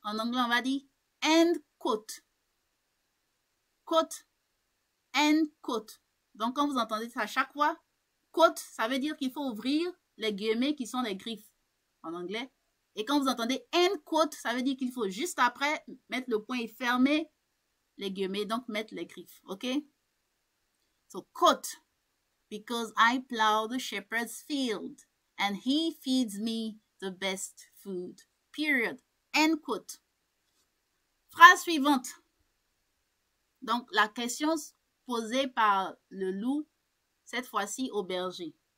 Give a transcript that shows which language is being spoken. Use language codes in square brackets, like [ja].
[fr] En anglais, on va dire end quote. Quote, end quote. Donc, quand vous entendez ça à chaque fois, quote, ça veut dire qu'il faut ouvrir les guillemets qui sont les griffes en anglais. Et quand vous entendez end quote, ça veut dire qu'il faut juste après mettre le point et fermer les guillemets, donc mettre les griffes, ok? [en] So, quote, because I plow the shepherd's field and he feeds me the best food, period, end quote. [fr] Phrase suivante. Donc, la question posée par le loup, cette fois-ci au berger.